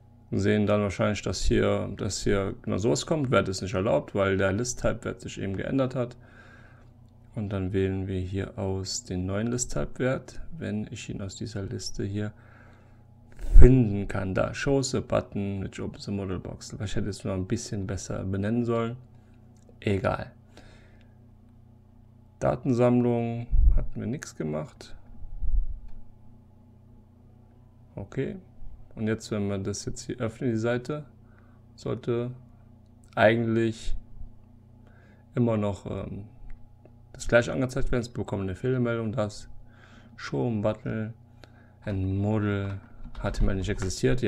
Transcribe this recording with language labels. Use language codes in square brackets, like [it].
[de] Wir sehen dann wahrscheinlich, dass hier genau sowas kommt. Wert ist nicht erlaubt, weil der List-Type-Wert sich eben geändert hat. Und dann wählen wir hier aus den neuen List-Type-Wert, wenn ich ihn aus dieser Liste hier finden kann. [en] Da, Shows a Button which opens a Model Box. [de] Vielleicht hätte ich es noch ein bisschen besser benennen sollen. Egal. Datensammlung hatten wir nichts gemacht. Okay. Und jetzt, wenn wir das jetzt hier öffnen, die Seite, sollte eigentlich immer noch das gleiche angezeigt werden, es bekommen eine Fehlermeldung, dass Show Button and Model HTML nicht existiert.